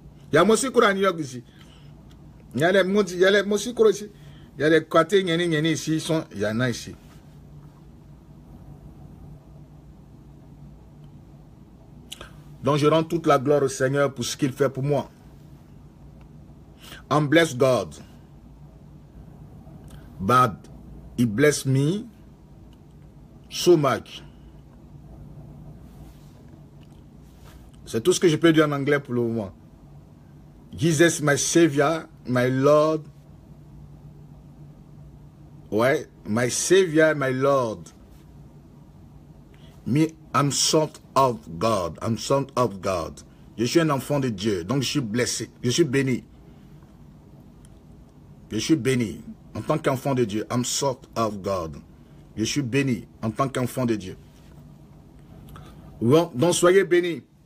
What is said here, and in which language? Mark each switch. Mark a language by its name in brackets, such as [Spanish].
[French] Il y a aussi cours à New York ici. Il y a les Mosicros ici. Il y a les Kwate Nyeni ici. Il y en a ici. Donc je rends toute la gloire au Seigneur pour ce qu'il fait pour moi. [English] I'm blessed God. But he blessed me so much. [French] C'est tout ce que je peux dire en anglais pour le moment. [English] Jesus my Savior. My Lord, ouais, my Savior, my Lord, me, I'm son of God, I'm son of God. [French] Je suis un enfant de Dieu, donc je suis blessé, je suis béni. Je suis béni en tant qu'enfant de Dieu, [English] I'm son of God. [French] Je suis béni en tant qu'enfant de Dieu. Bon, donc soyez bénis.